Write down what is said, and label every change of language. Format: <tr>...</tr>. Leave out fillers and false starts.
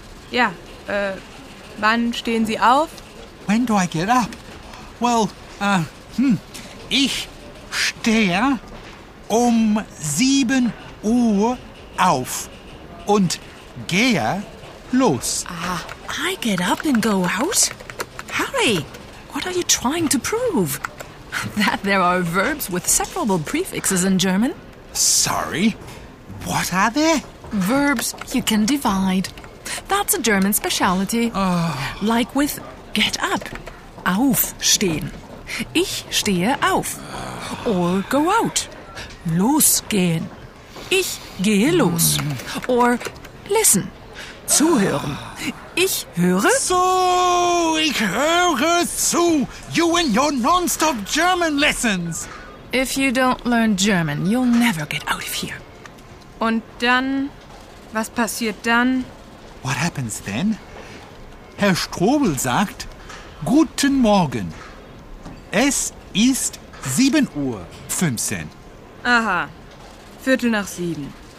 <de>Ja, wann stehen Sie auf?</de> <en>When do I get up?</en> <de>Well, ich stehe um 7 Uhr auf und gehe los.</de> <en>I get up and go out? Harry, what are you trying to prove? That there are verbs with separable prefixes in German? Sorry? What are they? Verbs you can divide. That's a German speciality. Oh. Like with get up, aufstehen.</en> <de>Ich stehe auf.</de> <en>Or go out,</en> <de>losgehen. Ich gehe los.</de> <en>Or listen,</en> <de>zuhören. Ich höre... So, ich höre zu.</de> <en>You and your non-stop German lessons. If you don't learn German, you'll never get out of here.</en> <de>Und dann, was passiert dann?</de> <en>What happens then?</en> <de>Herr Strobel sagt, guten Morgen. Es ist 7 Uhr 15. Aha, Viertel nach 7.</de>